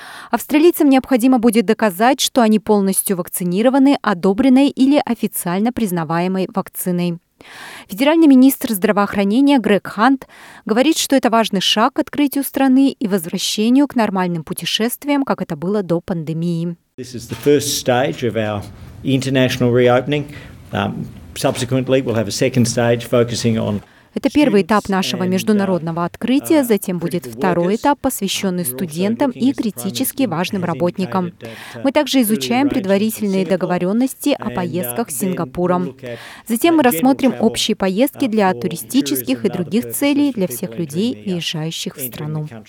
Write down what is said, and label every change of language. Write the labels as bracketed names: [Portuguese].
[Russian] Австралийцам необходимо будет доказать, что они полностью вакцинированы одобренной или официально признаваемой вакциной. Федеральный министр здравоохранения Грег Хант говорит, что это важный шаг к открытию страны и возвращению к нормальным путешествиям, как это было до пандемии. [English] This is the first stage of our international reopening. Subsequently, we'll have a second stage focusing on. [Russian] Это первый этап нашего международного открытия, затем будет второй этап, посвященный студентам и критически важным работникам. Мы также изучаем предварительные договоренности о поездках с Сингапуром. Затем мы рассмотрим общие поездки для туристических и других целей для всех людей, въезжающих в страну.